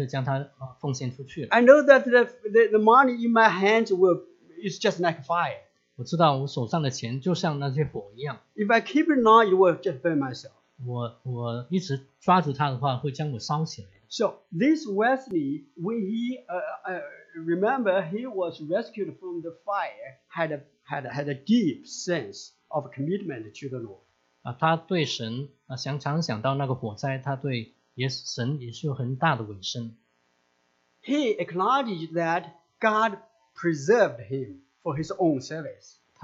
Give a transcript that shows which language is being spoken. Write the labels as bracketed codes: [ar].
[en] I know that the money in my hands is just like fire. [zh] 我知道我手上的钱就像那些火一样。 [en] If I keep it now, it will just burn myself. [zh] 我一直抓住它的话，会将我烧起来。 [en] So this Wesley, when he remember, he was rescued from the fire, had a deep sense of commitment to the Lord. [zh] 他对神常常想到那个火灾，他对神也是有很大的委身。 [en] He acknowledged that God preserved him for his own service.